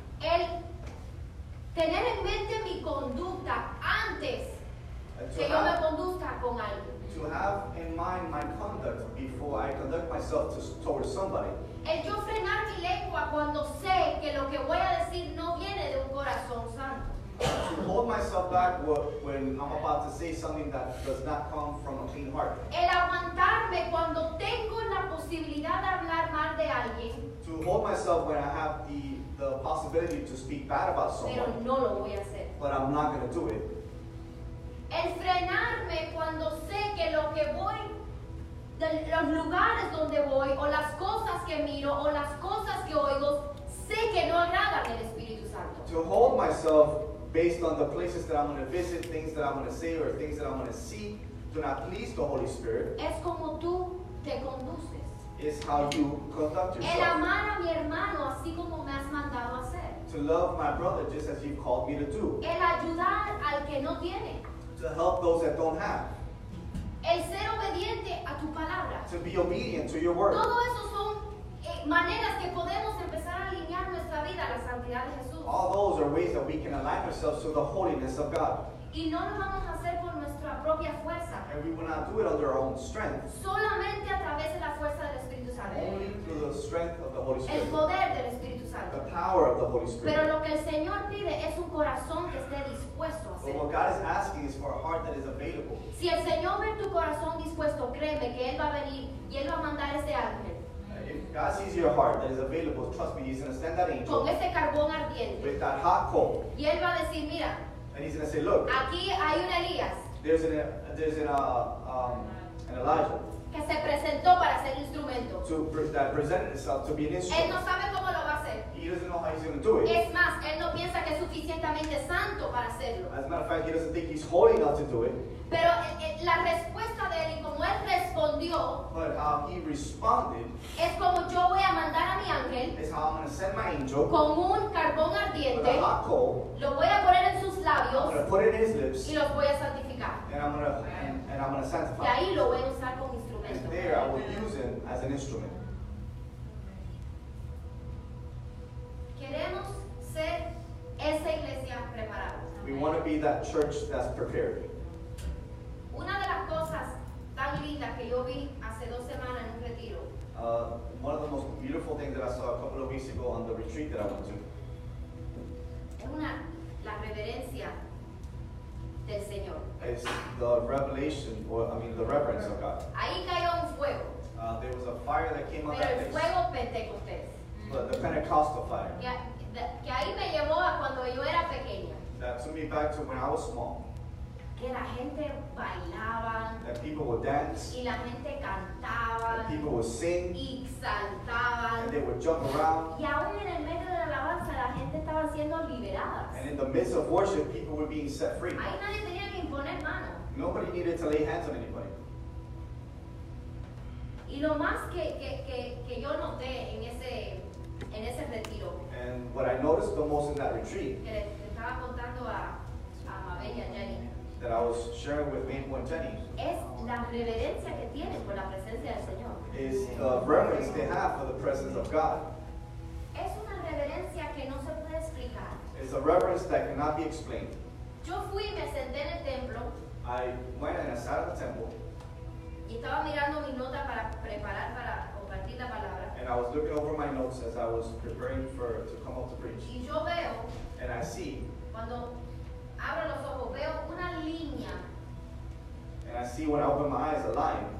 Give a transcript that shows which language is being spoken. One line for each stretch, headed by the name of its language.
Spanish: El tener en mente mi conducta antes que yo me conduzca con algo.
English: To have in mind my conduct before I conduct myself towards somebody.
Spanish: El yo frenar mi lengua cuando sé que lo que voy a decir no viene de un corazón santo.
English: To hold myself back when I'm about to say something that does not come from a clean heart.
Spanish: El aguantarme cuando tengo la posibilidad de hablar mal de alguien.
English: To hold myself when I have the possibility to speak bad about someone.
Spanish: Pero no lo voy a hacer.
English: But I'm not going to do it.
Spanish: El frenarme cuando sé que lo que voy, de los lugares donde voy, o las cosas que miro, o las cosas que oigo, sé que no agradan al Espíritu Santo.
English: To hold myself based on the places that I'm going to visit, things that I'm going to say, or things that I'm going to see, do not please the Holy Spirit.
Spanish: Es como tú te conduces.
English: Is how you conduct yourself.
Spanish: El amar a mi hermano, así como me has mandado a hacer.
English: To love my brother, just as you've called me to do.
Spanish: El ayudar al que no tiene.
English: To help those that don't have.
Spanish: El ser obediente a tu palabra.
English: To be obedient to your word.
Spanish: Todo eso son maneras que podemos empezar a alinear nuestra vida a la santidad de Jesús.
English: All those are ways that we can align ourselves to the holiness of God.
Spanish: Y no lo vamos a hacer por nuestra propia fuerza.
English: And we will not do it under our own strength.
Spanish: Solamente a través de la fuerza del Espíritu Santo.
English: Only through the strength of the Holy Spirit.
Spanish: El poder del Espíritu Santo.
English: The power of the Holy Spirit.
Spanish: Pero lo que el Señor pide es un corazón que esté dispuesto a hacer.
English: But what God is asking is for a heart that is available.
Spanish: Si el Señor ve tu corazón dispuesto, créeme que Él va a venir y Él va a mandar ese ángel.
English: God sees your heart that is available, trust me, He's going to send that angel.
Spanish: Con ese carbón ardiente.
English: With that hot coal.
Spanish: Y Él va a decir, mira.
English: And he's going to say, look,
Spanish: aquí hay un Elías.
English: There's an Elijah
Spanish: que se presentó para ser instrumento.
English: That presented itself to be an instrument.
Spanish: Él no sabe cómo lo va a hacer.
English: He doesn't know how he's going to do it.
Spanish: Es más, él no piensa que es suficientemente santo para hacerlo.
English: As a matter of fact, he doesn't think he's holy enough to do it.
Spanish: Pero la respuesta de él y como él respondió,
English: but how he responded,
Spanish: es como yo voy a mandar a mi ángel,
English: is how I'm gonna send my angel,
Spanish: con un carbón ardiente,
English: with a hot coal,
Spanish: lo voy a poner en sus labios,
English: I'm gonna put in his lips,
Spanish: y los voy a santificar.
English: And I'm gonna sanctify.
Spanish: Y ahí lo voy a usar como instrumento.
English: And there I will use him as an instrument.
Spanish: Queremos ser esa iglesia preparada.
English: We want to be that church that's prepared.
Spanish: Una de las cosas tan lindas que yo vi hace dos semanas en un retiro.
English: One of the most beautiful things that I saw a couple of weeks ago on the retreat that I went to.
Spanish: La reverencia del Señor.
English: It's the revelation, or I mean the reverence of God.
Spanish: Ahí cayó un fuego.
English: There was a fire that came out.
Spanish: Pero el fuego Pentecostés.
English: But the Pentecostal fire.
Spanish: Que ahí me llevó a cuando yo era pequeña.
English: That took me back to when I was small.
Spanish: Que la gente bailaba.
English: That people would dance.
Spanish: Y la gente cantaba.
English: That people would sing.
Spanish: Y saltaban.
English: And they would jump around.
Spanish: Y aún en el medio de la alabanza la gente estaba siendo liberada.
English: And in the midst of worship, people were being set free.
Spanish: Ahí nadie tenía que imponer mano.
English: Nobody needed to lay hands on anybody.
Spanish: Y lo más que yo noté en ese... En ese retiro,
English: and what I noticed the most in that retreat,
Spanish: que le estaba contando a Mabel y a Jenny,
English: that I was sharing with Mabel and Jenny,
Spanish: es la reverencia que tienen por la presencia del Señor.
English: Is the reverence they have for the presence of God.
Spanish: Es una reverencia que no se puede explicar.
English: It's a reverence that cannot be explained.
Spanish: Yo fui y me senté en el templo.
English: I went and I sat at the temple.
Spanish: Y estaba mirando mi nota para preparar para compartir la palabra.
English: And I was looking over my notes as I was preparing for to come up to preach.
Spanish: Y yo veo,
English: and I see,
Spanish: cuando abro los ojos, veo una línea.
English: And I see when I open my eyes, a line.